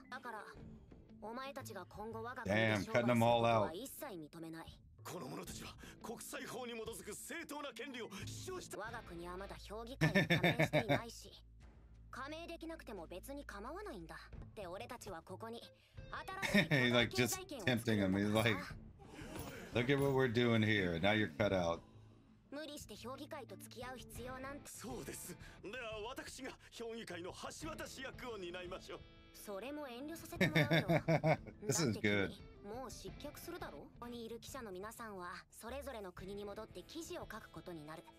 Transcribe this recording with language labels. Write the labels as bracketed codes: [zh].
[ja] だからお前たちが今後我が国で商売することは一切認めない。この者たちは国際法に基づく正当な権利を主張した。我が国はまだ評議会に加盟していないし、加盟できなくても別に構わないんだ。で、俺たちはここに新しい経済圏を作ったんだ。 [en] He's like just tempting him. He's like, look at what we're doing here. Now you're cut out. [ja] 無理して評議会と付き合う必要なんて。そうです。では私が評議会の橋渡し役を担いましょう。それも遠慮させてもらうよ。 [en] This is good. [ja] もう失脚するだろ。ここにいる記者の皆さんはそれぞれの国に戻って記事を書くことになる。